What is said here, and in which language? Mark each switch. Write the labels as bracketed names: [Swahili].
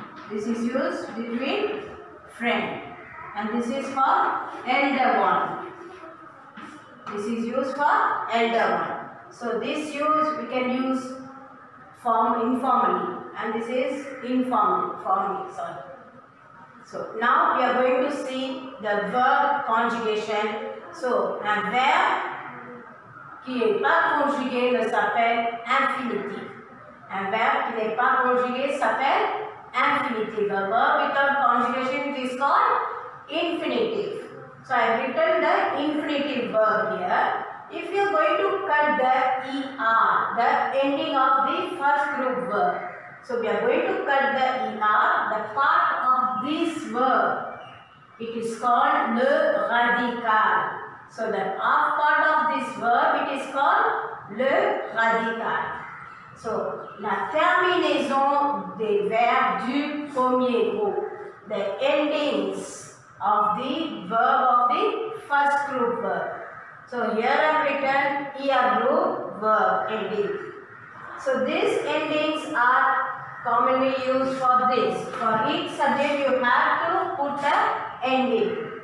[English] This is used between friend and this is for elder one. This is used for elder one. So this use we can use form informally and this is formally. Sorry. So now we are going to see the verb conjugation. [French] So un verbe qui n'est pas conjugué ne s'appelle infinitif. Un verbe qui n'est pas conjugué s'appelle infinitive. [English] A verb without conjugation is called infinitive. So I have written the infinitive verb here. If you are going to cut the ER, the ending of the first group verb. So we are going to cut the ER, the part of this verb. It is called le radical. So the half part of this verb, it is called le radical. [French] So, la terminaison des verbes du premier groupe. [English] The endings of the verb of the first group verb. So, here I have written ER group verb ending. So, these endings are commonly used for this. For each subject, you have to put the ending.